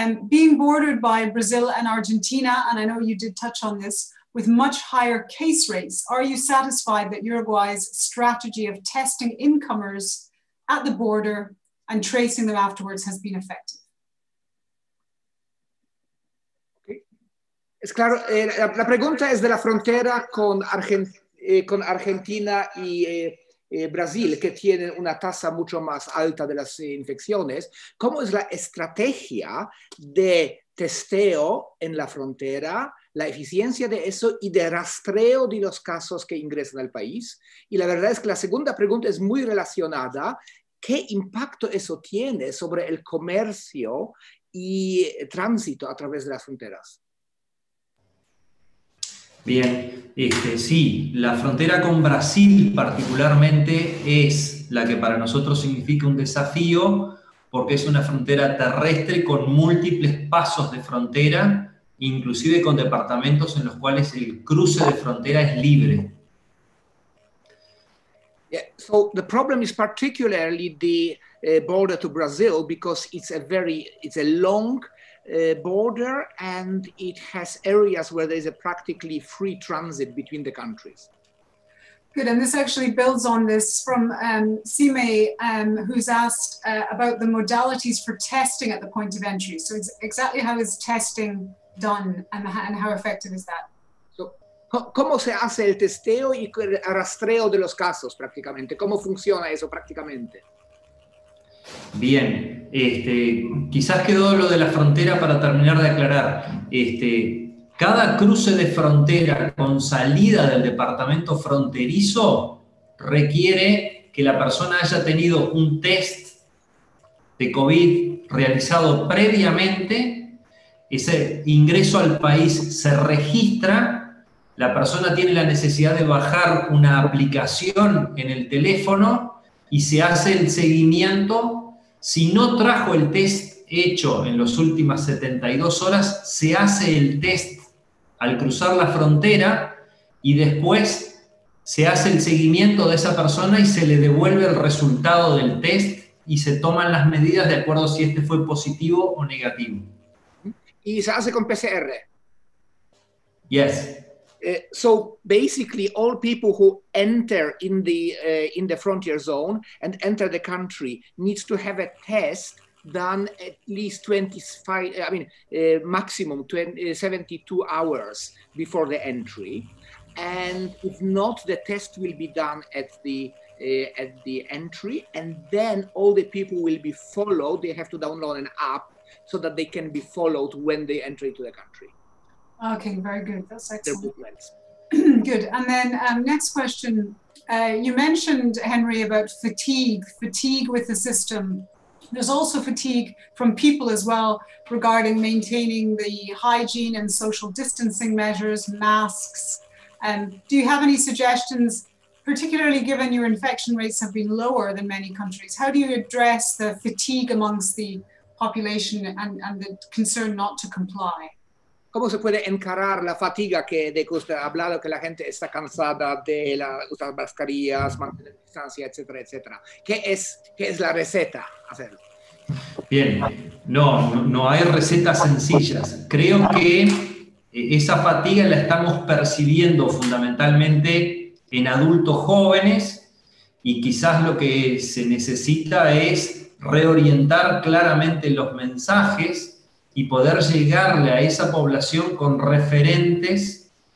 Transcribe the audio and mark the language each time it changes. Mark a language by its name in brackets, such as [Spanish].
[English] Being bordered by Brazil and Argentina, and I know you did touch on this, with much higher case rates, are you satisfied that Uruguay's strategy of testing incomers at the border and tracing them afterwards has been effective? Okay. [Spanish] Es claro, la pregunta es de la frontera con Argentina y Brasil, que tienen una tasa mucho más alta de las infecciones. ¿Cómo es la estrategia de testeo en la frontera, la eficiencia de eso y de rastreo de los casos que ingresan al país? Y la verdad es que la segunda pregunta es muy relacionada. ¿Qué impacto eso tiene sobre el comercio y tránsito a través de las fronteras? Bien, sí, la frontera con Brasil particularmente es la que para nosotros significa un desafío, porque es una frontera terrestre con múltiples pasos de frontera, inclusive con departamentos en los cuales el cruce de frontera es libre. [English] Yeah, so the problem is particularly the border to Brazil, because it's a long border and it has areas where there is a practically free transit between the countries. Good, and this actually builds on this from Sime, who's asked about the modalities for testing at the point of entry. So it's exactly how is testing done and how effective is that? [Spanish] ¿Cómo se hace el testeo y el rastreo de los casos prácticamente? ¿Cómo funciona eso prácticamente? Bien, quizás quedó lo de la frontera para terminar de aclarar. Cada cruce de frontera con salida del departamento fronterizo requiere que la persona haya tenido un test de COVID realizado previamente. Ese ingreso al país se registra. La persona tiene la necesidad de bajar una aplicación en el teléfono y se hace el seguimiento. Si no trajo el test hecho en las últimas 72 horas, se hace el test al cruzar la frontera y después se hace el seguimiento de esa persona y se le devuelve el resultado del test y se toman las medidas de acuerdo si este fue positivo o negativo. ¿Y se hace con PCR? [English] Yes. So basically, all people who enter in the frontier zone and enter the country needs to have a test done at least 25, I mean, maximum 72 hours before the entry. And if not, the test will be done at the entry, and then all the people will be followed. They have to download an app so that they can be followed when they enter into the country. Okay, very good. That's excellent. Good. And then next question. You mentioned, Henry, about fatigue with the system. There's also fatigue from people as well regarding maintaining the hygiene and social distancing measures, masks. Do you have any suggestions, particularly given your infection rates have been lower than many countries. How do you address the fatigue amongst the population and the concern not to comply? [Spanish] ¿Cómo se puede encarar la fatiga que de que usted ha hablado, que la gente está cansada de la, usar mascarillas, mantener distancia, etcétera, etcétera? ¿Qué es la receta hacerlo? Bien, no hay recetas sencillas. Creo que esa fatiga la estamos percibiendo fundamentalmente en adultos jóvenes y quizás lo que se necesita es reorientar claramente los mensajes y poder llegarle a esa población con referentes,